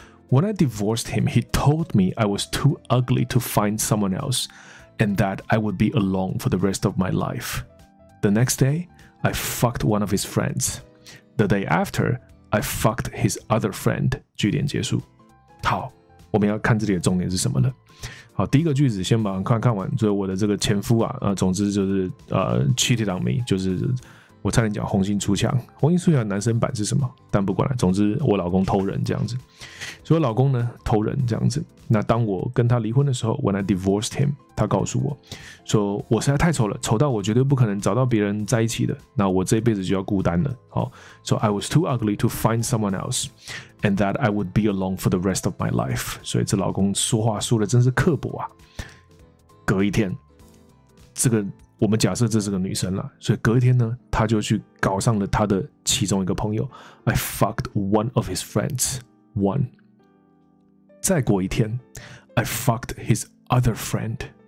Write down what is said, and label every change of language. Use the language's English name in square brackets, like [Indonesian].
[English] When I divorced him, he told me I was too ugly to find someone else, and that I would be alone for the rest of my life. The next day. I fucked one of his friends. The day after, I fucked his other friend. [Chinese] 句点结束。好，我们要看这里的重点是什么呢？好，第一个句子先把它看完。所以我的这个前夫啊，总之就是 cheated on me，就是我差点讲红杏出墙。红杏出墙男生版是什么？但不管了，总之我老公偷人这样子。所以我老公呢偷人这样子。那当我跟他离婚的时候 ， when I divorced him。他告诉我说我实在太丑了，丑到我绝对不可能找到别人在一起的，那我这辈子就要孤单了。 [English] So I was too ugly to find someone else and that I would be alone for the rest of my life. [Chinese] 所以这老公说话说的真是刻薄啊。隔一天，这个我们假设这是个女生啦，所以隔一天呢，他就去搞上了他的其中一个朋友。 [English] I fucked one of his friends. One. 再过一天， I fucked his other friend.